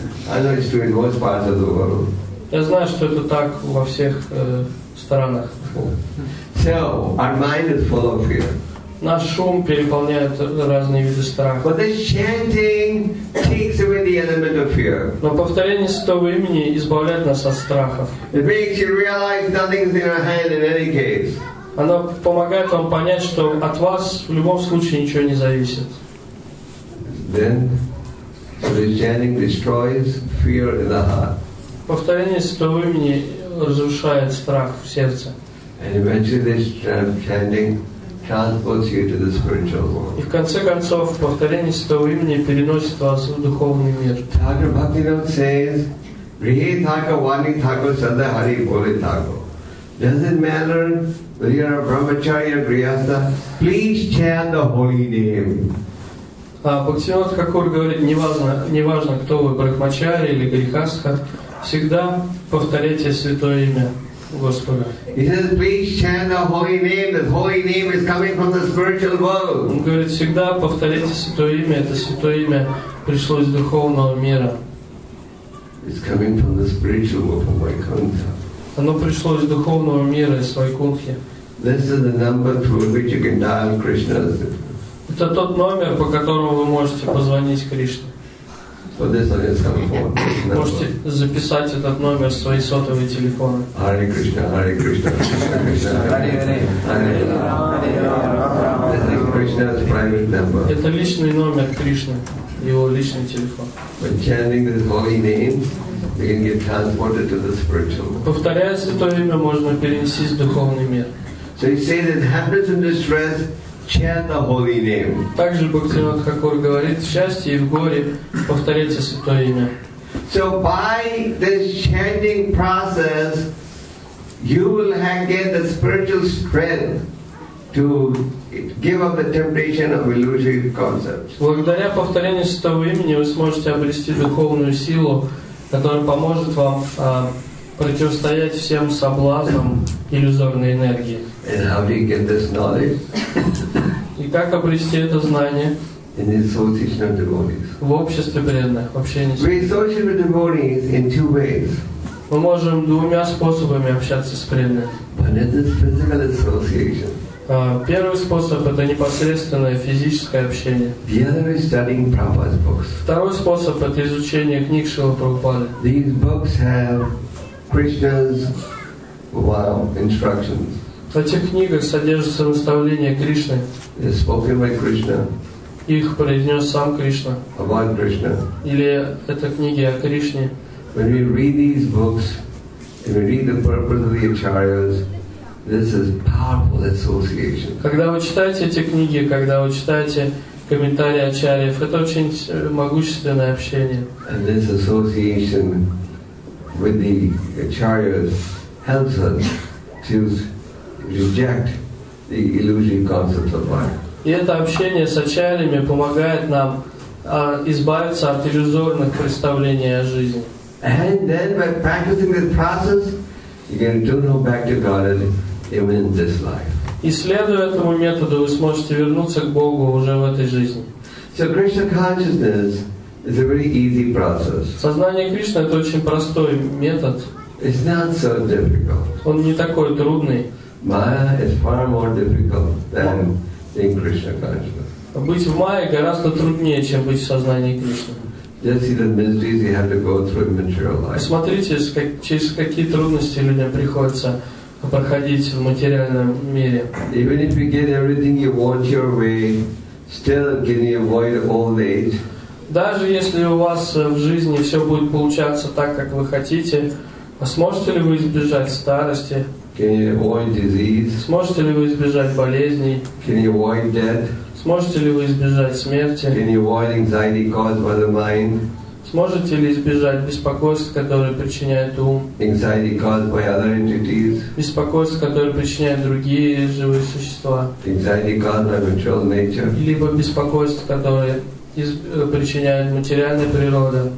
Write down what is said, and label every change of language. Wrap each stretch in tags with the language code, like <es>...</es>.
<en>I know it's true in most parts of the world.</en> <ru>Я знаю, что это так во всех странах.</ru> <en>So, our mind is full of fear.</en> <ru>Наш ум переполняет разные виды страха.</ru> <en>But the chanting takes away the element of fear.</en> <ru>Но повторение святого имени избавляет нас от страхов.</ru> <en>It makes you realize nothing's in your hand in any case.</en> <ru>Оно помогает вам понять, что от вас в любом случае ничего не зависит.</ru> <en>Then, so the chanting destroys fear in the heart.</en> <ru>Повторение святого имени разрушает страх в сердце.</ru> <en>And eventually this chanting transports you to the spiritual world.</en> <ru>И в конце концов, повторение святого имени переносит вас в духовный мир.</ru> <en>Thakur Bhaktivinoda says, Rihe Thakur Vani Thakur Sada Hari Bole Thakur. Does it matter whether you are a brahmacharya or grihastha? Please chant the holy name.</en> <ru>Bhaktivinoda Thakur говорит, неважно, кто вы, брахмачарья или грихастха, всегда повторяйте святое имя Господа.</ru> <en>He says, please chant the holy name. The holy name is coming from the spiritual world.</en> <ru>Он говорит, всегда повторяйте святое имя. Это святое имя пришло из духовного мира.</ru> <en>It's coming from the spiritual world, from Vaikuntha.</en> <ru>Оно пришло из духовного мира, из Вайкунхи.</ru> <en>This is the number through which you can dial Krishna.</en> <ru>Это тот номер, по которому вы можете позвонить Кришне.</ru> <en>For this one is coming from this number.</en> <ru>Можете записать этот номер свои сотовые телефоны.</ru> <sa>Hare Krishna, Hare Krishna, Krishna Krishna, Hare Hare, Hare Rama.</sa> <ru>Это личный номер Кришны, его личный телефон.</ru> <en>By chanting this holy name, we can get transported to the spiritual world.</en> <ru>Повторяя святое имя, можно перенести в духовный мир.</ru> <en>So he says that happiness and distress. Chant the holy name.</en> <ru>Также Бхактивинода Тхакур говорит, в счастье и в горе повторяйте святое имя.</ru> <en>So by this chanting process, you will get the spiritual strength to give up the temptation of illusory concepts.</en> <ru>Благодаря повторению святого имени вы сможете обрести духовную силу, которая поможет вам противостоять всем соблазнам иллюзорной энергии.</ru> <en>And how do you get this knowledge?</en> <ru>И как обрести это знание?</ru> <en>In the association of devotees.</en> <ru>В обществе преданных, в общении.</ru> <en>We associate with devotees in two ways.</en> <ru>Мы можем двумя способами общаться с преданными.</ru> <en>One is this physical association.</en> <ru>Первый способ – это непосредственное физическое общение.</ru> <en>The other is studying Prabhupada's books.</en> <ru>Второй способ – это изучение книг Шрилы Прабхупады.</ru> <en>These books have Krishna's instructions.</en> <ru>В этих книгах содержатся наставления Кришны.</ru> <en>It's spoken by Krishna.</en> <ru>Их произнес сам Кришна.</ru> <en>About Krishna.</en> <ru>Или это книги о Кришне.</ru> <en>When we read these books, and we read the purpose of the acharyas, this is powerful association.</en> <ru>Когда вы читаете эти книги, когда вы читаете комментарии ачарьев, это очень могущественное общение.</ru> <en>And this association with the acharyas helps us to reject the illusory concepts of mind.</en> <ru>И это общение с ачарьями помогает нам избавиться от иллюзорных представлений о жизни.</ru> <en>And then by practicing this process, you can turn back to God and even in this life.</en> <ru>И следуя этому методу, вы сможете вернуться к Богу уже в этой жизни.</ru> <en>So Krishna consciousness is a very easy process.</en> <ru>Сознание Кришны — это очень простой метод.</ru> <en>It's not so difficult.</en> <ru>Он не такой трудный.</ru> <en>Maya is far more difficult than being Krishna consciousness.</en> <ru>Быть в Майе гораздо труднее, чем быть в сознании Кришны.</ru> <en>Just see the miseries you have to go through in material life.</en> <ru>Смотрите, через какие трудности людям приходится проходить в материальном мире.</ru> <en>Even if you get everything you want your way, still can you avoid old age?</en> <ru>Даже если у вас в жизни все будет получаться так, как вы хотите, сможете ли вы избежать старости?</ru> <en>Can you avoid disease?</en> <ru>Сможете ли вы избежать болезней?</ru> <en>Can you avoid death?</en> <ru>Сможете ли вы избежать смерти?</ru> <en>Can you avoid anxiety caused by the mind?</en> <ru>Сможете ли избежать беспокойств, которые причиняют ум?</ru> <en>Anxiety caused by other entities?</en> <ru>Беспокойств, которые причиняют другие живые существа?</ru> <en>Anxiety caused by material nature?</en> <ru>Либо беспокойств, которые причиняют материальная природа?</ru>